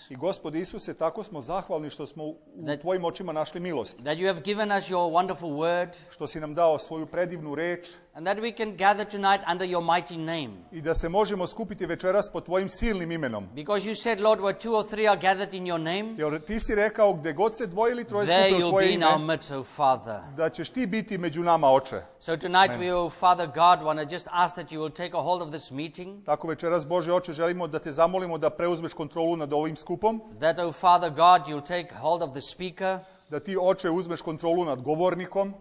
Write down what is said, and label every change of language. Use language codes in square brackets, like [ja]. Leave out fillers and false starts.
[sr] I Gospode Isuse, tako smo zahvalni što smo u tvojim očima našli milost. [en] That you have given us your wonderful word. [sr] Što si nam dao svoju predivnu reč. [en] And that we can gather tonight under your mighty name. [sr] I da se možemo skupiti večeras pod tvojim silnim imenom. [en] Because you said, Lord, where two or three are gathered in your name. [sr] Jer ti si rekao, gdje god se dvoje ili troje skupi u tvoje ime. [en] There you'll be now, O Father. [sr] Da ćeš ti biti među nama, Oče. [en] So tonight Amen. We, O Father God, want to just ask that you will take a hold of this meeting. [sr] Tako večeras, Bože Oče, želimo da te zamolimo da preuzmeš kontrolu nad ovim skupom. [en] That, O Father God, you'll take hold of the speaker. [sr] Da ti, Oče, uzmeš kontrolu nad govornikom.